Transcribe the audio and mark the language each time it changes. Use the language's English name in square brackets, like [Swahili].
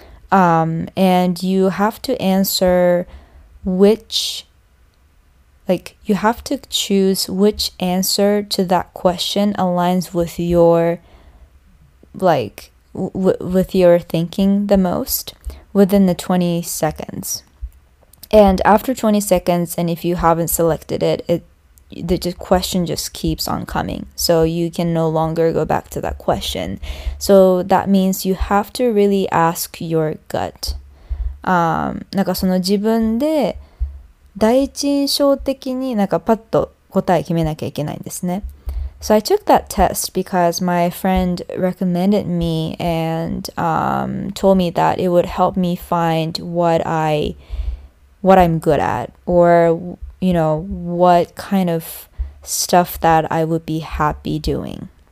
[English] And you have to answer which, like, you have to choose which answer to that question aligns with your, like, with your thinking the most within the 20 seconds. And after 20 seconds, and if you haven't selected it, the question just keeps on coming, so you can no longer go back to that question. So that means you have to really ask your gut. [Japanese] なんかその自分で第一印象的になんかパッと答え決めなきゃいけないんですね。 [English] So I took that test because my friend recommended me and told me that it would help me find what I'm good at, or what kind of stuff that I would be happy doing.